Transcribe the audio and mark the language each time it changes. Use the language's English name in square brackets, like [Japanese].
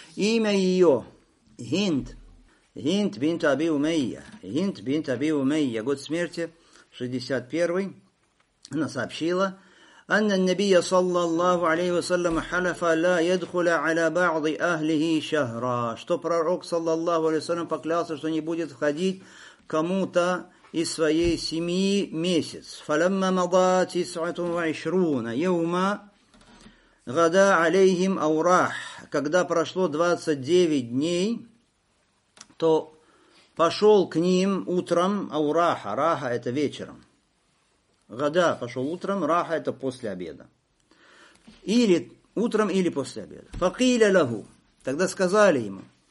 [Russian] Имя ее Хинд, Хинд бинт Аби Умайя, Хинд бинт Аби Умайя, год смерти 61, она сообщила, [Arabic] أن النبي صلى الله عليه وسلم حلف لا يدخل على بعض أهله شهرا. [Russian] Что пророк صلى الله عليه وسلم поклялся, что не будет входить кому-то из своей семьи месяц. [Arabic] فلما مضى تسعة وعشرون يوما غدا عليهم أو راح. [Russian] Когда прошло 29 дней, то пошел к ним утром аураха. Раха это вечером. Гада пошел утром, раха это после обеда. Или утром, или после обеда. Факиля лаху. Тогда сказали ему.